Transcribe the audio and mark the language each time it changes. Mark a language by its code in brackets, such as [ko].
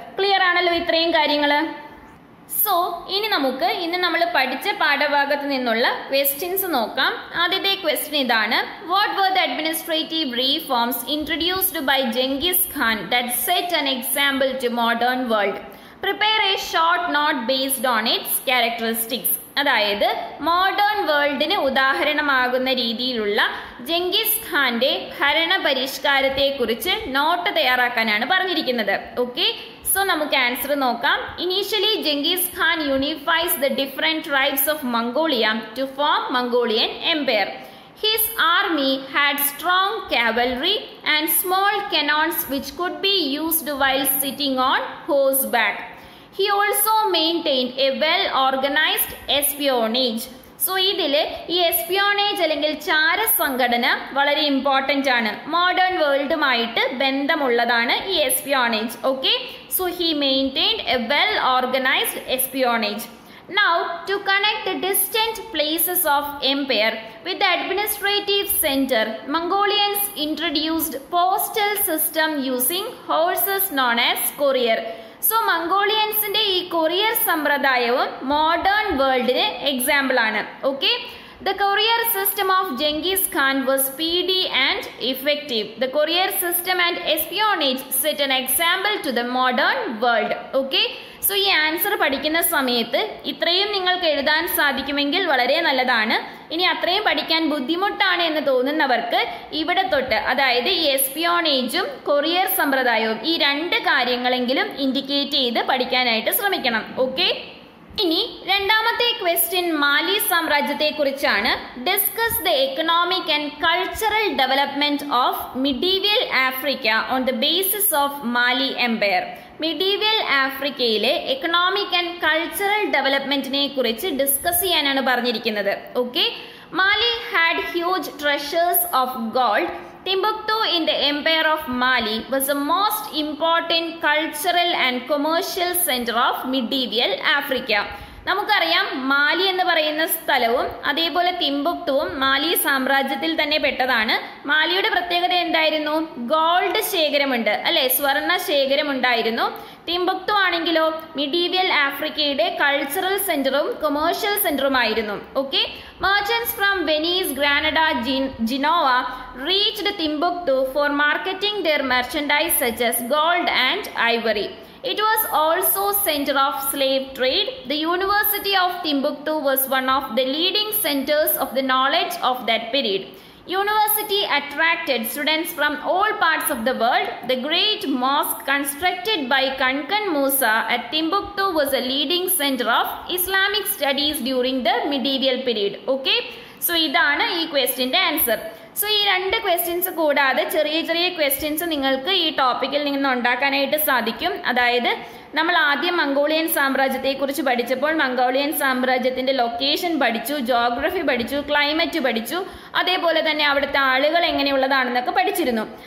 [ml] Clear ആണല്ലോ ഇത്രയും കാര്യങ്ങള്. സോ ഇനി നമുക്ക് ഇന്ന് നമ്മൾ പഠിച്ച പാഠഭാഗത്ത് നിന്നുള്ള ക്വസ്റ്റ്യൻസ് നോക്കാം. ആദ്യത്തെ ക്വസ്റ്റ്യൻ ഇതാണ്, [en] What were the administrative reforms introduced by Genghis Khan that set an example to modern world. Prepare a short note based on its characteristics. [ml] അതായത് മോഡേൺ വേൾഡിന് ഉദാഹരണമാകുന്ന രീതിയിലുള്ള ജെങ്കിസ് ഖാന്റെ ഭരണ പരിഷ്കാരത്തെ കുറിച്ച് നോട്ട് തയ്യാറാക്കാനാണ് പറഞ്ഞിരിക്കുന്നത്. [en] okay, [ml] സോ നമുക്ക് ആൻസർ നോക്കാം. [en] Initially Genghis Khan unifies the different tribes of Mongolia to form Mongolian empire. His army had strong cavalry and small canons which could be used while sitting on horseback. He also maintained a well-organized espionage. [ml] So, ഇതിലെ ഈ എസ്പിയോണേജ് അല്ലെങ്കിൽ ചാര സംഘടന വളരെ important ആണ്. Modern വേൾഡുമായിട്ട് ബന്ധമുള്ളതാണ് ഈ എസ്പിയോണേജ്. [en] Okay, so he maintained a well organized espionage. Now, to connect the distant places of empire with the administrative center, Mongolians introduced postal system using horses known as courier. So, Mongolians' courier [ml] സമ്പ്രദായവും modern വേൾഡിന് example ആണ്. [en] Okay, the courier system of Genghis Khan was speedy and effective. The courier system and espionage set an example to the modern world. Okay, [ml] so ഈ answer പഠിക്കുന്ന സമയത്ത് ഇത്രയും നിങ്ങൾക്ക് എഴുതാൻ സാധിക്കുമെങ്കിൽ വളരെ നല്ലതാണ്. ഇനി അത്രയും പഠിക്കാൻ ബുദ്ധിമുട്ടാണ് എന്ന് തോന്നുന്നവർക്ക് ഇവിടെ തൊട്ട്, അതായത് എസ്പിയോണേജും കൊറിയർ സമ്പ്രദായവും, ഈ രണ്ട് കാര്യങ്ങളെങ്കിലും ഇൻഡിക്കേറ്റ് ചെയ്ത് പഠിക്കാനായിട്ട് ശ്രമിക്കണം. ഓക്കെ, ഇനി രണ്ടാമത്തെ ക്വസ്റ്റ്യൻ മാലി സാമ്രാജ്യത്തെ കുറിച്ചാണ്. [en] Discuss the economic and cultural development of medieval Africa on the basis of Mali empire. [ml] Medieval ആഫ്രിക്കയിലെ എക്കണോമിക് ആൻഡ് കൾച്ചറൽ ഡെവലപ്മെന്റിനെ കുറിച്ച് ഡിസ്കസ് ചെയ്യാനാണ് പറഞ്ഞിരിക്കുന്നത്. [en] Okay, Mali had huge treasures of gold. Timbuktu in the Empire of Mali was the most important cultural and commercial center of medieval Africa. [ml] നമുക്കറിയാം മാലി എന്ന് പറയുന്ന സ്ഥലവും അതേപോലെ തിംബുക്തുവും മാലി സാമ്രാജ്യത്തിൽ തന്നെ പെട്ടതാണ്. മാലിയുടെ പ്രത്യേകത എന്തായിരുന്നു? ഗോൾഡ് ശേഖരമുണ്ട് അല്ലെ, സ്വർണ ശേഖരമുണ്ടായിരുന്നു. തിംബുക്തു ആണെങ്കിലോ മിഡീവിയൽ ആഫ്രിക്കയുടെ കൾച്ചറൽ സെന്ററും commercial സെന്ററുമായിരുന്നു. [en] Okay, merchants from Venice, Granada, Genoa reached Timbuktu for marketing their merchandise such as gold and ivory. It was also center of slave trade. The University of Timbuktu was one of the leading centers of the knowledge of that period. University attracted students from all parts of the world. The great mosque constructed by Kankan Musa at Timbuktu was a leading center of Islamic studies during the medieval period. [ml] Okay, so idana ee question de answer. So ഈ രണ്ട് questions കൂടാതെ ചെറിയ ചെറിയ questions നിങ്ങൾക്ക് ഈ ടോപ്പിക്കിൽ നിന്ന് ഉണ്ടാക്കാനായിട്ട് സാധിക്കും. അതായത് നമ്മൾ ആദ്യം മംഗോളിയൻ സാമ്രാജ്യത്തെക്കുറിച്ച് പഠിച്ചപ്പോൾ മംഗോളിയൻ സാമ്രാജ്യത്തിൻ്റെ ലൊക്കേഷൻ പഠിച്ചു, ജോഗ്രഫി പഠിച്ചു, ക്ലൈമറ്റ് പഠിച്ചു, അതേപോലെ തന്നെ അവിടുത്തെ ആളുകൾ എങ്ങനെയുള്ളതാണെന്നൊക്കെ പഠിച്ചിരുന്നു.